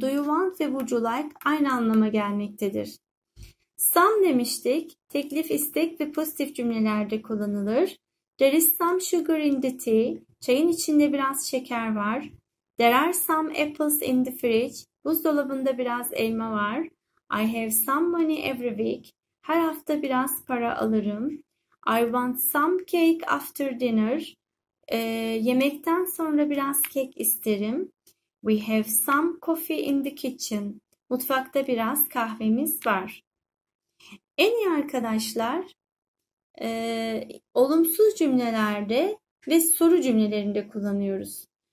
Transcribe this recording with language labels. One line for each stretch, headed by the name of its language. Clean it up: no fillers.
English: Do you want
Turkish: ve
English: would you like
Turkish: aynı anlama gelmektedir. Some demiştik. Teklif, istek ve pozitif cümlelerde kullanılır.
English: There is some sugar in the tea.
Turkish: Çayın içinde biraz şeker var.
English: There are some apples in the fridge.
Turkish: Buzdolabında biraz elma var.
English: I have some money every week.
Turkish: Her hafta biraz para alırım.
English: I want some cake after dinner.
Turkish: Yemekten sonra biraz kek isterim.
English: We have some coffee in the kitchen.
Turkish: Mutfakta biraz kahvemiz var. En iyi arkadaşlar, olumsuz cümlelerde ve soru cümlelerinde kullanıyoruz.